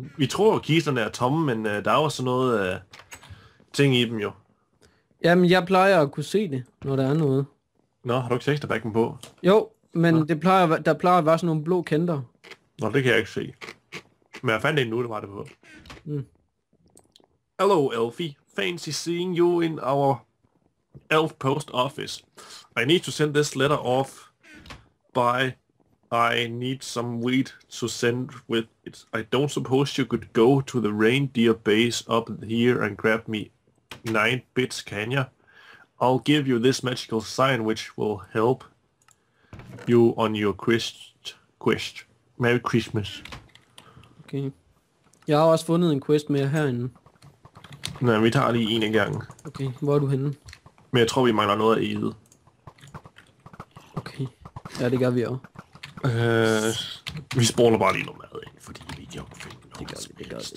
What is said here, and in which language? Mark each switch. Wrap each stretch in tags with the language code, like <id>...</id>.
<da>Vi tror jo, kisterne er tomme, men der er jo sådan noget ting i dem jo. Jamen, jeg plejer at kunne se det, når der er noget. Nå, har du ikke sexterbacken på? Jo, men det plejer, der plejer at være sådan nogle blå kanter. Nå, det kan jeg ikke se. Men jeg fandt det nu, der var det på.</da> <en>Mm. Hello, Elfie. Fancy seeing you in our elf post office. I need to send this letter off by... I need some weed to send with it. I don't suppose you could go to the reindeer base up here and grab me 9 bits, can ya? I'll give you this magical sign which will help you on your quest. Merry Christmas. Okay.</en> <da>Jeg har også fundet en quest mere herinde. Nej, vi tager lige en af gangen. Okay, hvor er du henne? Men jeg tror, vi mangler noget af edet. Okay. Ja, det gør vi også. Vi spoler bare lige noget mad ind, fordi vi ikke har fundet noget.</da>